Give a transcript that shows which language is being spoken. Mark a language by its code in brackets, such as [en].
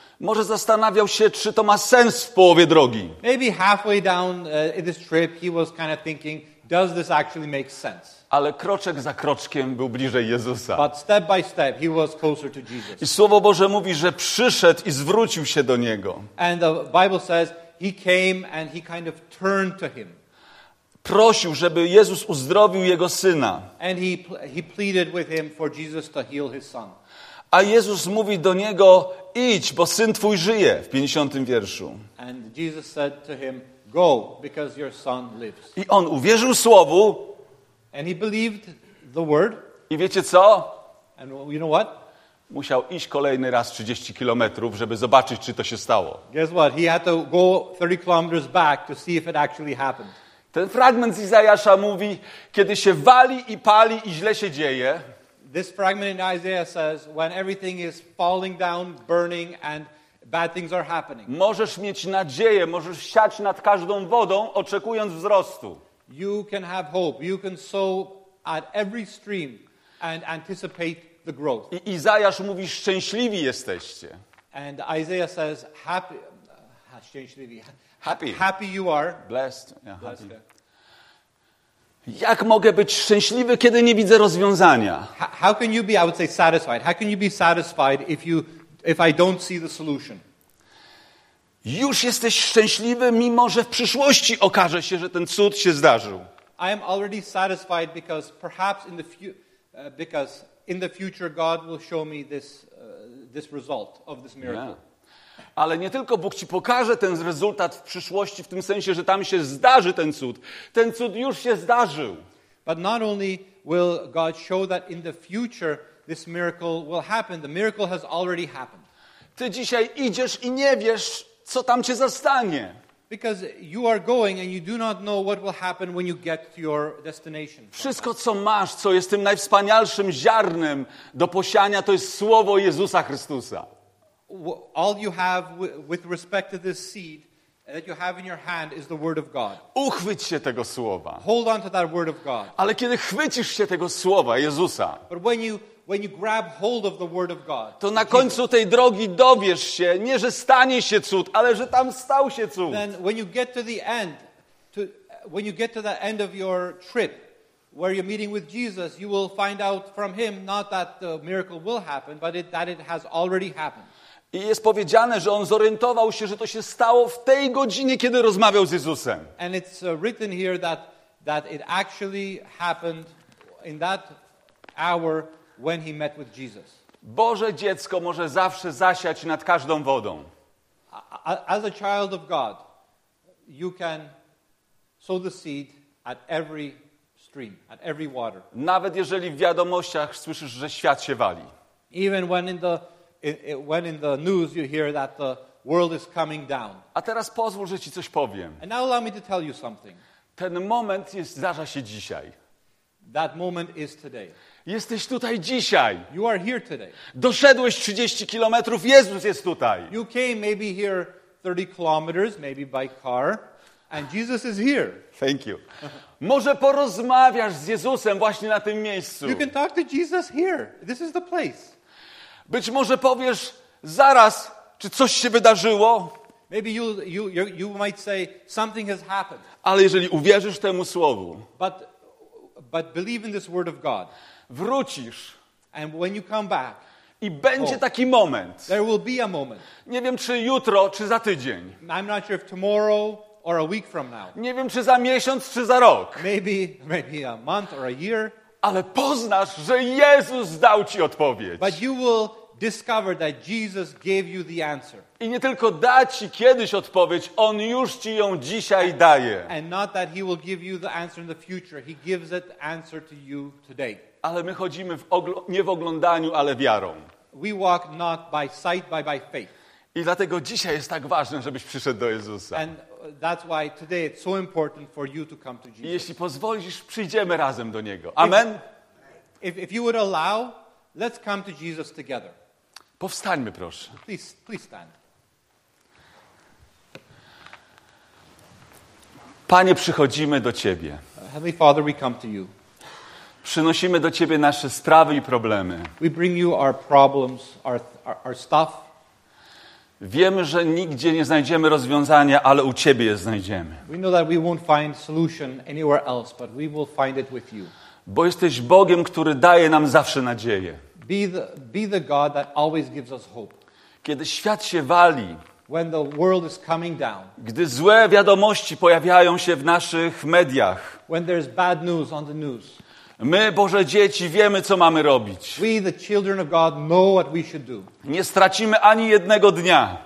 [pl] Może zastanawiał się, czy to ma sens w połowie drogi. [en] Maybe halfway down this trip he was kind of thinking, does this actually make sense? [pl] Ale kroczek za kroczkiem był bliżej Jezusa. [en] But step by step he was closer to Jesus. [pl] I Słowo Boże mówi, że przyszedł i zwrócił się do Niego. [en] And the Bible says he came and he kind of turned to him. [pl] Prosił, żeby Jezus uzdrowił jego syna. [en] And he pleaded with him for Jesus to heal his son. [pl] A Jezus mówi do niego: idź, bo syn twój żyje, w 50. wierszu. [en] And Jesus said to him, go, because your son lives. [pl] I on uwierzył słowu. [en] And he believed the word. [pl] I wiecie co? [en] And you know what? [pl] Musiał iść kolejny raz 30 kilometrów, żeby zobaczyć, czy to się stało. [en] Guess what? He had to go 30 kilometers back to see if it actually happened. [pl] Ten fragment z Izajasza mówi, kiedy się wali i pali i źle się dzieje. [en] This fragment in Isaiah says, when everything is falling down, burning and bad things are happening. [pl] Możesz mieć nadzieję, możesz siać nad każdą wodą, oczekując wzrostu. [en] You can have hope. You can sow at every stream and anticipate the growth. [pl] I Izajasz mówi, szczęśliwi jesteście. [en] And Isaiah says, happy, [pl] szczęśliwi. [en] Happy. Happy you are. Blessed. Yeah, happy. [pl] Jak mogę być szczęśliwy, kiedy nie widzę rozwiązania? [en] How can you be, I would say, satisfied? How can you be satisfied if you, if I don't see the solution? [pl] Już jesteś szczęśliwy, mimo że w przyszłości okaże się, że ten cud się zdarzył. [en] I am already satisfied because perhaps in the because in the future God will show me this this result of this miracle. Yeah. [pl] Ale nie tylko Bóg ci pokaże ten rezultat w przyszłości w tym sensie, że tam się zdarzy ten cud. Ten cud już się zdarzył. [en] But not only will God show that in the future this miracle will happen, the miracle has already happened. [pl] Ty dzisiaj idziesz i nie wiesz, co tam cię zastanie. [en] Because you are going and you do not know what will happen when you get to your destination. [pl] Wszystko co masz, co jest tym najwspanialszym ziarnem do posiania, to jest słowo Jezusa Chrystusa. [en] All you have with respect to this seed that you have in your hand is the word of God. [pl] Uchwyć się tego słowa. [en] Hold on to that word of God. [pl] Ale kiedy chwycisz się tego słowa Jezusa, [en] but when you grab hold of the word of God, [pl] to na końcu tej drogi dowiesz się, nie że stanie się cud, ale że tam stał się cud. [en] Then when you get to the end, when you get to the end of your trip, where you're meeting with Jesus, you will find out from him not that the miracle will happen, but that it has already happened. [pl] I jest powiedziane, że on zorientował się, że to się stało w tej godzinie, kiedy rozmawiał z Jezusem. [en] And it's written here that it actually happened in that hour when he met with Jesus. [pl] Boże dziecko może zawsze zasiać nad każdą wodą. [en] As a child of God, you can sow the seed at every stream, at every water. [pl] Nawet jeżeli w wiadomościach słyszysz, że świat się wali. [en] Even when in the news you hear that the world is coming down. [pl] A teraz pozwól, że ci coś powiem. [en] And now allow me to tell you something. [pl] Ten moment zdarza się dzisiaj. [en] That moment is today. [pl] Jesteś tutaj dzisiaj. [en] You are here today. [pl] Doszedłeś 30 kilometrów, Jezus jest tutaj. [en] You came maybe here 30 kilometers, maybe by car, and Jesus is here. Thank you. [pl] Może porozmawiasz z Jezusem właśnie na tym miejscu. [en] You can talk to Jesus here. This is the place. [pl] Być może powiesz zaraz, czy coś się wydarzyło. [en] Maybe you might say something has happened. [pl] Ale jeżeli uwierzysz temu słowu, [en] but believe in this word of God. [pl] Wrócisz. [en] And when you come back. [pl] I będzie taki moment. [en] There will be a moment. [pl] Nie wiem czy jutro, czy za tydzień. [en] I'm not sure if tomorrow or a week from now. [pl] Nie wiem czy za miesiąc, czy za rok. [en] Maybe a month or a year. [pl] Ale poznasz, że Jezus dał ci odpowiedź. [en] But you will discover that Jesus gave you the answer. [pl] I nie tylko da ci kiedyś odpowiedź, on już ci ją dzisiaj daje. [en] And not that he will give you the answer in the future, he gives it answer to you today. [pl] Ale my chodzimy nie w oglądaniu, ale wiarą. [en] We walk not by sight, but by faith. [pl] I dlatego dzisiaj jest tak ważne, żebyś przyszedł do Jezusa. [en] And that's why today it's so important for you to come to Jesus. [pl] Jeśli pozwolisz, przyjdziemy razem do niego. Amen. [en] If you would allow, let's come to Jesus together. [pl] Powstańmy, proszę. [en] Please stand. [pl] Panie, przychodzimy do ciebie. [en] Heavenly Father, we come to you. [pl] Przynosimy do ciebie nasze sprawy i problemy. [en] We bring you our problems, our stuff. [pl] Wiemy, że nigdzie nie znajdziemy rozwiązania, ale u ciebie je znajdziemy. [en] We know that we won't find solution anywhere else, but we will find it with you. [pl] Bo jesteś Bogiem, który daje nam zawsze nadzieję. [en] Be the God that always gives us hope. [pl] Kiedy świat się wali, [en] when the world is coming down, [pl] gdy złe wiadomości pojawiają się w naszych mediach, [en] when there's bad news on the news, [pl] my, Boże dzieci, wiemy, co mamy robić. [en] We, the children of God, know what we should do. [pl] Nie stracimy ani jednego dnia.